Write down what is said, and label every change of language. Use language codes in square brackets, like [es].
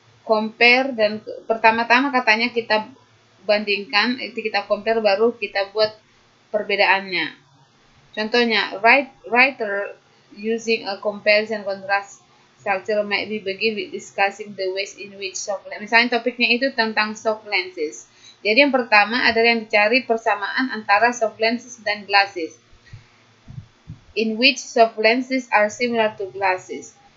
[id] Compare dan pertama-tama katanya kita bandingkan, itu kita compare baru kita buat perbedaannya. Contohnya, [en] writer using a comparison contrast structure might be begin with discussing the ways in which soft lenses. [id] Misalnya topiknya itu tentang soft lenses. Jadi yang pertama adalah yang dicari persamaan antara soft lenses dan glasses. [en] In which soft lenses are similar to glasses.